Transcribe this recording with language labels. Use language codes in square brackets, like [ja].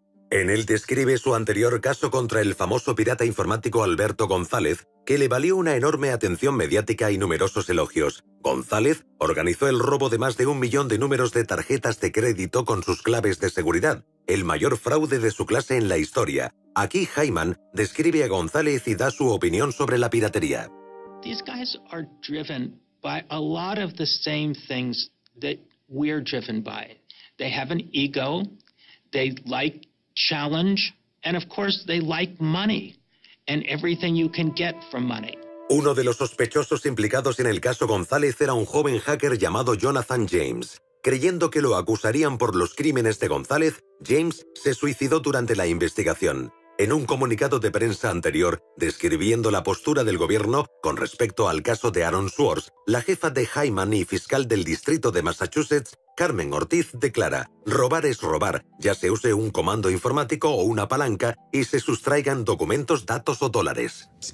[es] En él describe su anterior caso contra el famoso pirata informático Alberto González, que le valió una enorme atención mediática y numerosos elogios. González organizó el robo de más de 1 millón de números de tarjetas de crédito con sus claves de seguridad, el mayor fraude de su clase en la historia. Aquí Hyman describe a González y da su opinión sobre la piratería. [en] These guys are driven by a lot of the same things that we're driven by. They have an ego, they like challenge, and of course they like money and everything you can get from money. [es] Uno de los sospechosos implicados en el caso González era un joven hacker llamado Jonathan James. Creyendo que lo acusarían por los crímenes de González, James se suicidó durante la investigación. En un comunicado de prensa anterior, describiendo la postura del gobierno con respecto al caso de Aaron Swartz, la jefa de Hyman y fiscal del distrito de Massachusetts, Carmen Ortiz, declara: robar es robar, ya se use un comando informático o una palanca y se sustraigan documentos, datos o dólares.